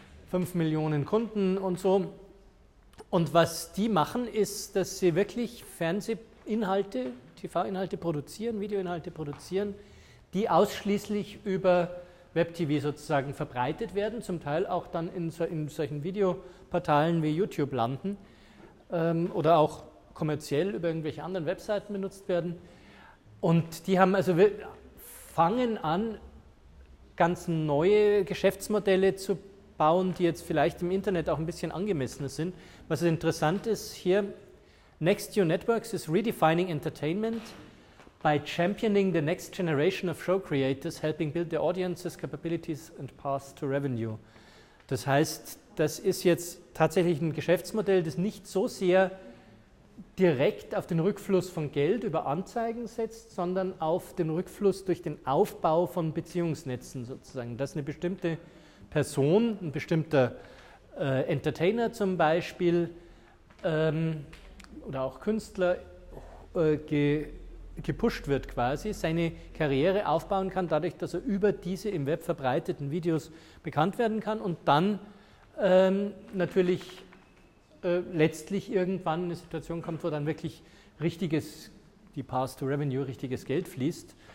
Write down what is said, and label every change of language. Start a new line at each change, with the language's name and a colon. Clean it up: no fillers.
German: 5 Millionen Kunden und so. Und was die machen, ist, dass sie wirklich Fernsehinhalte, TV-Inhalte produzieren, Videoinhalte produzieren, die ausschließlich über Web-TV sozusagen verbreitet werden, zum Teil auch dann in solchen Videoportalen wie YouTube landen oder auch kommerziell über irgendwelche anderen Webseiten benutzt werden. Und die haben also fangen an, ganz neue Geschäftsmodelle zu bauen, die jetzt vielleicht im Internet auch ein bisschen angemessener sind. Was interessant ist hier,
English: Next New Networks is redefining entertainment by championing the next generation of show creators, helping build their audiences, capabilities and paths to revenue.
German: Das heißt, das ist jetzt tatsächlich ein Geschäftsmodell, das nicht so sehr direkt auf den Rückfluss von Geld über Anzeigen setzt, sondern auf den Rückfluss durch den Aufbau von Beziehungsnetzen sozusagen. Das ist eine bestimmte Person, ein bestimmter Entertainer zum Beispiel oder auch Künstler gepusht wird quasi, seine Karriere aufbauen kann, dadurch, dass er über diese im Web verbreiteten Videos bekannt werden kann und dann natürlich letztlich irgendwann eine Situation kommt, wo dann wirklich richtiges, die Path to Revenue, richtiges Geld fließt.